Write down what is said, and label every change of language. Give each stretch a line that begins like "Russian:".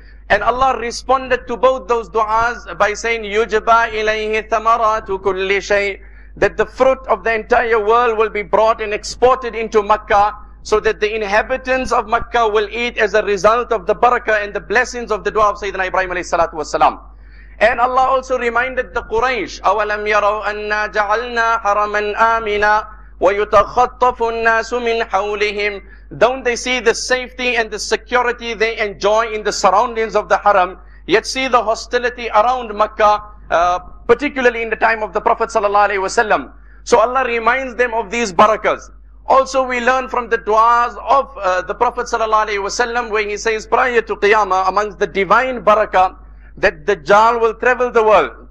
English: And Allah responded to both those du'as by saying,
Arabic: يُجْبَى إِلَيْهِ ثَمَرَاتُ كُلِّ شَيْءٍ.
English: That the fruit of the entire world will be brought and exported into Mecca, so that the inhabitants of Mecca will eat as a result of the barakah and the blessings of the dua of Sayyidina Ibrahim alayhi salatu wasalam. And Allah also reminded the Quraysh,
Arabic: أَوَلَمْ يَرَوْا أَنَّا جَعَلْنَا حَرَمًا آمِنًا وَيُتَخَطَّفُ النَّاسُ مِنْ حَوْلِهِمْ.
English: Don't they see the safety and the security they enjoy in the surroundings of the haram, yet see the hostility around Mecca, particularly in the time of the Prophet sallallahu alayhi wasallam. So Allah reminds them of these barakahs. Also, we learn from the du'as of the Prophet sallallahu alayhi wasallam, where he says prior to Qiyamah, amongst the divine barakah, that Dajjal will travel the world.